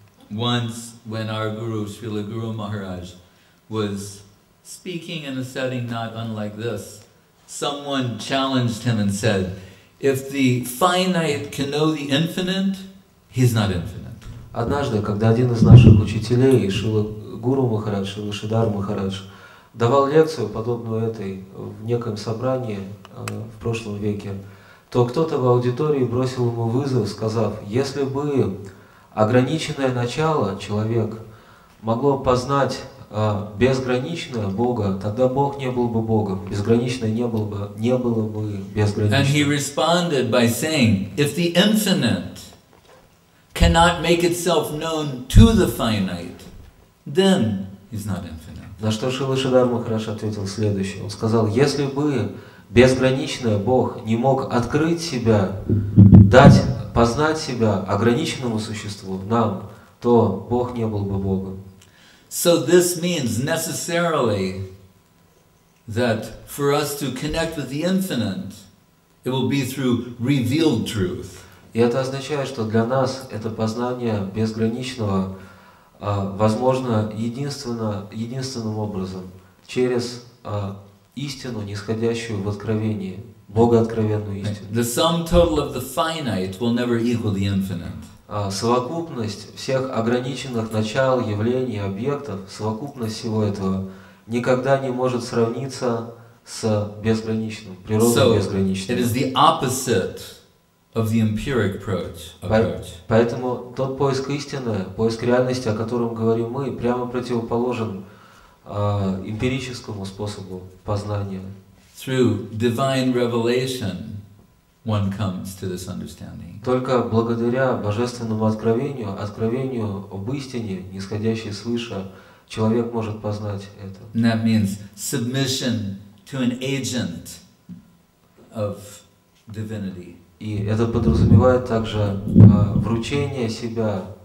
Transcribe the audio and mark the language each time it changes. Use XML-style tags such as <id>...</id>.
<en>Once, when our guru, Srila Guru Maharaj, was speaking in a setting not unlike this, someone challenged him and said, if the finite can know the infinite, he's not infinite.</en> <ru>Однажды, когда один из наших учителей, Шрила Гуру Махарадж, Шрила Шридхар Махарадж, давал лекцию, подобную этой, в неком собрании в прошлом веке, то кто-то в аудитории бросил ему вызов, сказав, если бы ограниченное начало человек могло познать безграничное Бога, тогда Бог не был бы Богом, безграничное не было бы безграничным.</ru> <en>And he responded by saying, if the infinite cannot make itself known to the finite, then he's not infinite.</en> <ru>На что Шрила Шридхар Махарадж ответил следующее. Он сказал, если бы безграничный Бог не мог открыть себя, дать, познать себя ограниченному существу, нам, то Бог не был бы Богом.</ru> <en>So this means necessarily that for us to connect with the infinite, it will be through revealed truth.</en> <ru>И это означает, что для нас это познание безграничного возможно единственным образом через истину, нисходящую в откровении, богооткровенную истину.</ru> <en>The sum total of the finite will never equal the infinite.</en> <ru>Совокупность всех ограниченных начал, явлений, объектов, совокупность всего этого никогда не может сравниться с безграничным, природой безграничной.</ru> <en>It is the opposite of the empiric approach.</en> <ru>Поэтому тот поиск истины, поиск реальности, о котором говорим мы, прямо противоположен эмпирическому способу познания.</ru> <en>Through divine revelation one comes to this understanding.</en> <ru>Только благодаря божественному откровению, откровению об истине, нисходящей свыше, человек может познать это.</ru> <en>And that means submission to an agent of divinity.</en> <ru>И это подразумевает также вручение себя</ru>